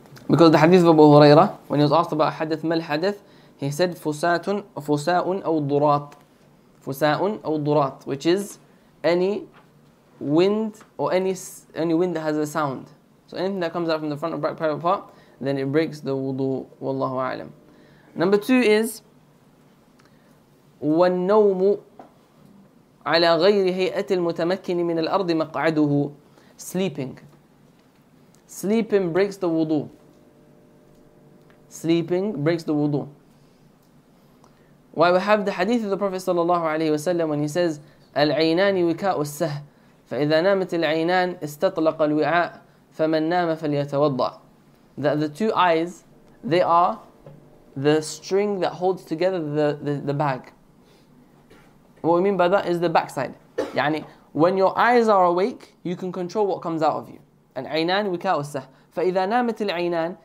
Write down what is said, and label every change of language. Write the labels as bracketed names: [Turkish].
[English] Because the hadith of Abu Huraira, when he was asked about hadith, mal hadith, he said, [Arabic] fusa'un, fusa'un aw durat. Fusa'un aw durat, [English] which is any wind that has a sound. So anything that comes out from the front or back private part, then it breaks the wudu. Wallahu a'lam. Number two is, [Arabic] والنوم على غير هيئة المتمكن من الأرض مقعده. [English] Sleeping breaks the wudu. Sleeping breaks the wudu. Why we have the hadith of the Prophet صلى الله عليه وسلم when he says, [Arabic] العينان وكاء السه فإذا نامت العينان استطلق الوعاء فمن نام فليتوضع. [English] That the two eyes, they are the string that holds together the bag. What we mean by that is the backside. يعني when your eyes are awake, you can control what comes out of you. [Arabic] العينان وكاء السه فإذا نامت العينان.